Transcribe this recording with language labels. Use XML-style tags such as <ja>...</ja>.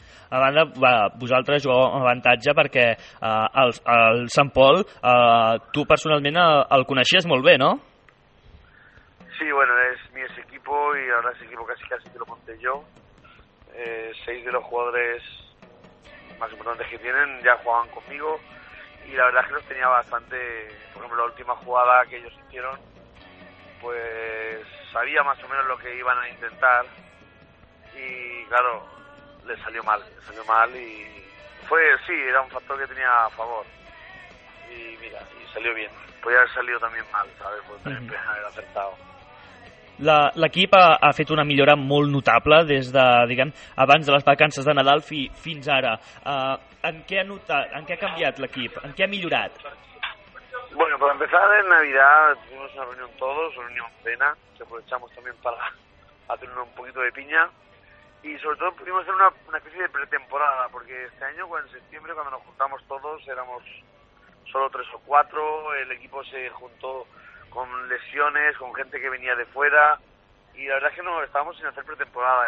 <ca>A banda, vosaltres jugueu amb avantatge perquè el Sant Pol, tu personalment el coneixies molt bé, no?</ca> <es>Sí, bueno, es mi ex equipo y ahora ese equipo casi que lo monté yo. Seis de los jugadores más importantes que tienen ya jugaban conmigo. Y la verdad es que los tenía bastante, por ejemplo, la última jugada que ellos hicieron, pues sabía más o menos lo que iban a intentar y claro, les salió mal y fue, sí, era un factor que tenía a favor. Y mira, y salió bien. Podría haber salido también mal, ¿sabes? Podría haber acertado.</es> <ca>L'equip ha fet una millora molt notable des de, diguem, abans de les vacances de Nadal fins ara. En què ha notat, en què ha canviat l'equip? En què ha millorat?</ca> <es>Bueno, para empezar, en Navidad tuvimos una reunión todos, una reunión cena, que aprovechamos también para hacer un poquito de piña. Y sobre todo pudimos hacer una especie de pretemporada, porque este año, en septiembre, cuando nos juntamos todos, éramos solo tres o cuatro, el equipo se juntó con lesiones, con gente que venía de fuera, y la verdad es que no, estábamos sin hacer pretemporada.</es>